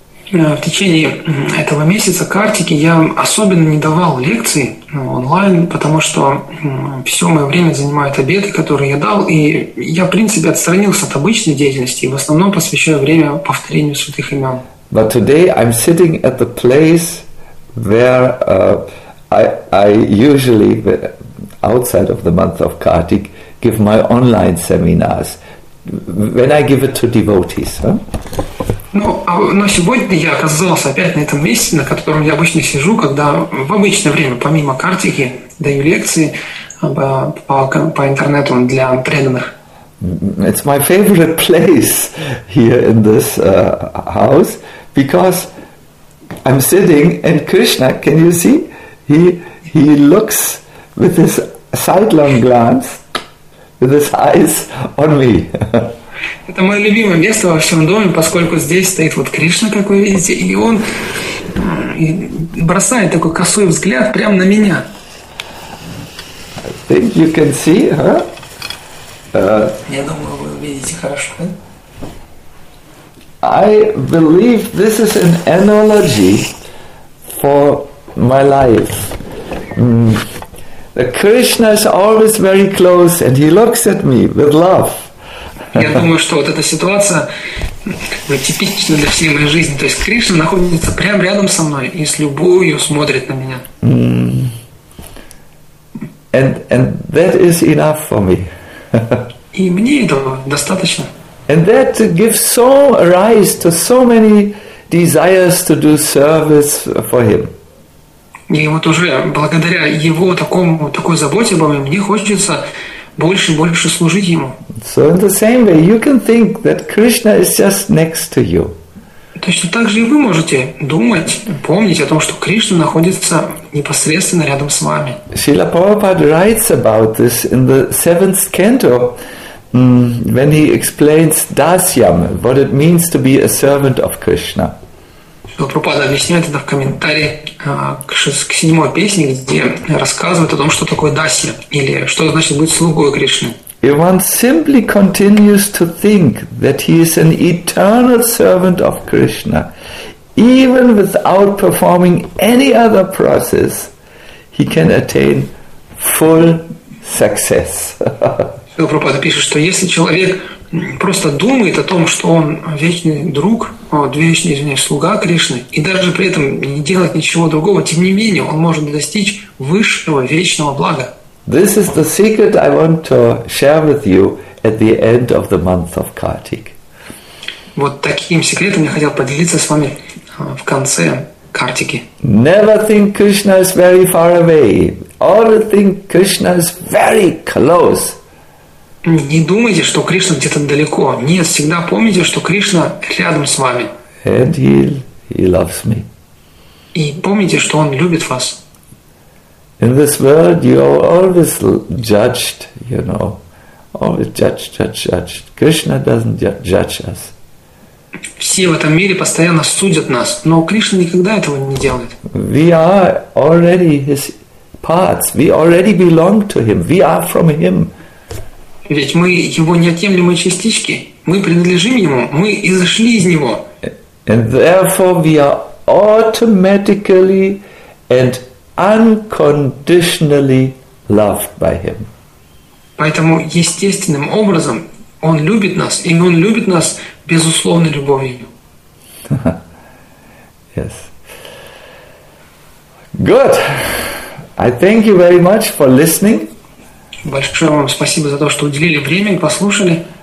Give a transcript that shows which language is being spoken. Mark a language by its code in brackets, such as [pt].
[ru] В течение этого месяца Картики я особенно не давал лекции онлайн, потому что все мое время занимают обеты, которые я дал, и я, в принципе, отстранился от обычной деятельности и в основном посвящаю время повторению святых имен. [en] But today I'm sitting at the place where I usually, outside of the month of Kartik, give my online seminars, when I give it to devotees. Huh? [ru] Но сегодня я оказался опять на этом месте, на котором я обычно сижу, когда в обычное время, помимо Картики, даю лекции по интернету для преданных. [en] It's my favorite place here in this house, because I'm sitting and Krishna, can you see? He looks with his sidelong glance, with his eyes on me. [ru] Это мое любимое место во всем доме, поскольку здесь стоит вот Кришна, как вы видите, и он бросает такой косой взгляд прямо на меня. [en] I think you can see, huh? [ru] Я думаю, вы увидите хорошо. [en] I believe this is an analogy for my life. Krishna is always very close, and he looks at me with love. [ru] Я думаю, что вот эта ситуация типична для всей моей жизни. То есть Кришна находится прямо рядом со мной и с любовью смотрит на меня. [en] And that is enough for me. [ru] И мне этого достаточно. [en] And that gives so rise to so many desires to do service for him. [ru] И вот уже благодаря его такой заботе обо мне, мне хочется больше и больше служить ему. [en] So in the same way, you can think that Krishna is just next to you. [ru] Точно так же и вы можете думать, помнить о том, что Кришна находится непосредственно рядом с вами. [en] Srila Prabhupada writes about this in the seventh canto, when he explains dasyam, what it means to be a servant of Krishna. [ru] Прабхупада объясняет это в комментарии к седьмой песне, где рассказывает о том, что такое дасья, или что значит быть слугой Кришны. И он [en] simply continues to think that he is an eternal servant of Krishna. Even without performing any other process, he can attain full success. [ru] Прабхупада пишет, что если человек просто думает о том, что он вечный друг, вечный, извиняюсь, слуга Кришны, и даже при этом не делает ничего другого, тем не менее он может достичь высшего вечного блага. [en] This is the secret I want to share with you at the end of the month of Kartik. [ru] Вот таким секретом я хотел поделиться с вами в конце Картики. [en] Never think Krishna is very far away. Always think Krishna is very close. [ru] Не думайте, что Кришна где-то далеко. Нет, всегда помните, что Кришна рядом с вами. [en] And he loves me. [ru] И помните, что Он любит вас. [en] In this world you are always judged, you know. Always judged, judged, judged. Krishna doesn't judge us. [ru] Все в этом мире постоянно судят нас, но Кришна никогда этого не делает. [en] We are already His parts. We already belong to Him. We are from Him. [ru] Ведь мы Его неотъемлемые частички. Мы принадлежим Ему. Мы изошли из Него. [en] And therefore we are automatically and unconditionally loved by Him. [ru] Поэтому естественным образом Он любит нас, и Он любит нас безусловной любовью. [en] Yes. Good. I thank you very much for listening. [ru] Большое вам спасибо за то, что уделили время и послушали.